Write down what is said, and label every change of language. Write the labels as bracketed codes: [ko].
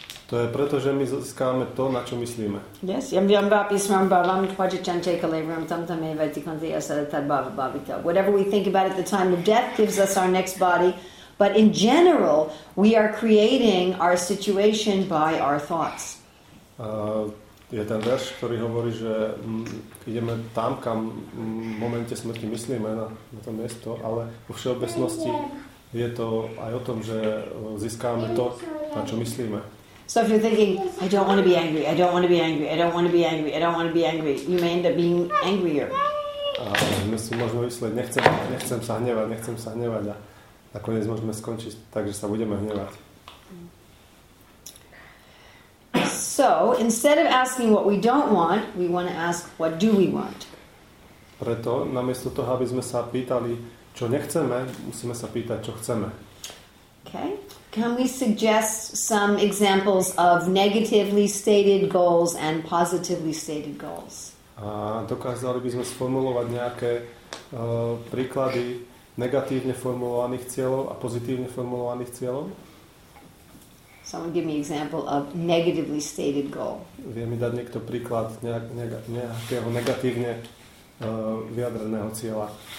[sk] To je preto, že my získame to, na čo myslíme. [sa] Yes, yam yam bapi smam bavam kvaja chante kalevram tam tam eva tikanti asada tad bava bavita. [en] Whatever we think about at the time of death gives us our next body, but in general, we are creating our situation by our thoughts. [sk] Je ten verš, ktorý hovorí, že ideme tam, kam v momente smrti myslíme na to miesto, ale vo všeobecnosti je to aj o tom, že získame to, na čo myslíme. [en] So if you're thinking, I don't want to be angry, I don't want to be angry, I don't want to be angry, I don't want to be angry, you may end up being angrier. [sk] A my si môžeme vysleť, nechcem sa hnevať, nechcem sa hnevať a nakoniec môžeme skončiť tak, že sa budeme hnevať. [en] So, instead of asking what we don't want, we want to ask, what do we want? [sk] Preto, namiesto toho, aby sme sa pýtali, čo nechceme, musíme sa pýtať, čo chceme. [en] Okay. Can we suggest some examples of negatively stated goals and positively stated goals? [sk] A dokázali by sme sformulovať nejaké príklady negatívne formulovaných cieľov a pozitívne formulovaných cieľov? [en] Someone give me example of negatively stated goal. [sk] Vie mi dať niekto príklad nejakého negatívne vyjadreného cieľa?